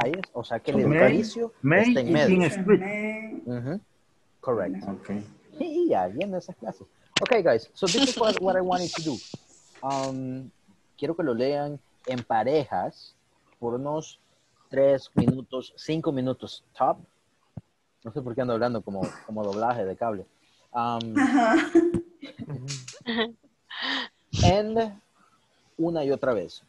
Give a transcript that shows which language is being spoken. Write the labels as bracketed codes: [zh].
[es] Calles, o sea que el edificio está en medio. [en] Correct. Okay. [es] Y ya, viendo esas clases. [en] Okay, guys, so this is what I wanted to do. [es] Quiero que lo lean en parejas por unos 3 minutos, 5 minutos top. No sé por qué ando hablando como doblaje de cable. And una y otra vez.